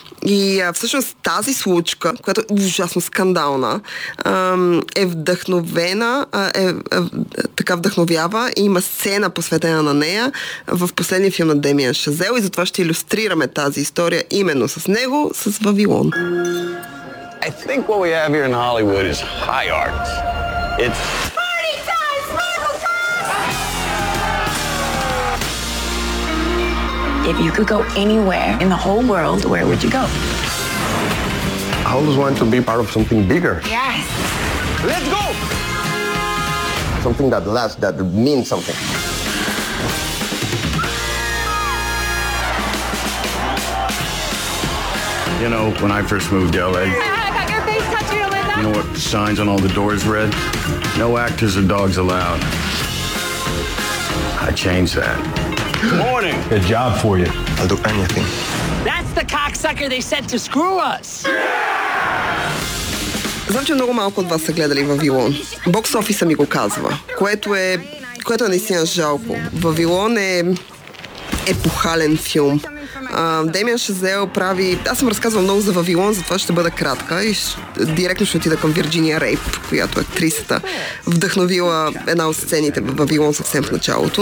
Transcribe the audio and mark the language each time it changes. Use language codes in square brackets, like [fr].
[bg] И всъщност тази случка, която е ужасно скандална, е вдъхновена, така вдъхновява и има сцена посветена на нея в последния филм на Демиан Шазел, и затова ще илюстрираме тази история именно с него, с Вавилон. [en] I think what we have here in Hollywood is high art. It's if you could go anywhere in the whole world, where would you go? I always wanted to be part of something bigger. Yes. Let's go! Something that lasts, that means something. You know, when I first moved to LA, I got your face touched, you Linda. You know what the signs on all the doors read? No actors or dogs allowed. I changed that. Morning. A job for you. I'll do anything. That's the cocksucker they sent to screw us. Yeah! [bg] Знам, че много малко от вас са гледали Вавилон. Бокс офиса ми го казва, което е наистина жалко. Вавилон е епохален филм. Демиан Шазел прави... Аз съм разказвала много за Вавилон, затова ще бъда кратка и директно ще отида към Вирджиния Рейп, която актрисата вдъхновила една от сцените в Вавилон съвсем в началото.